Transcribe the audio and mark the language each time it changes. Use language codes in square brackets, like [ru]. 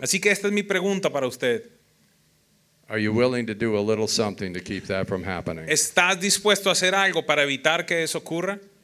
[es] Así que esta es mi pregunta para usted. [en] Are you willing to do a little something to keep that from happening? [es] ¿Estás dispuesto a hacer algo para evitar que eso ocurra?